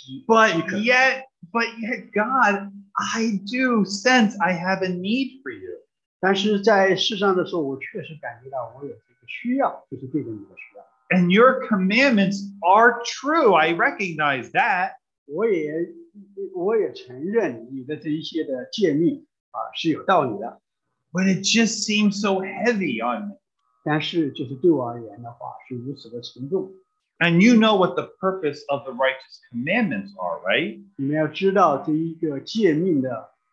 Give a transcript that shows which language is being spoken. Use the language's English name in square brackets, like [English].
[English] But yet, God, I do sense I have a need for you. [Chinese] 但是在世上的时候，我确实感觉到我有这个需要，就是对着你的需要。 [English] And your commandments are true. I recognize that. [Chinese] 我也承认你的这一些的诫命啊是有道理的。 [English] But it just seems so heavy on me. [Chinese] 但是就是对我而言的话是如此的沉重。 [English] And you know what the purpose of the righteous commandments are, right? [Chinese] 你们要知道这一个诫命的。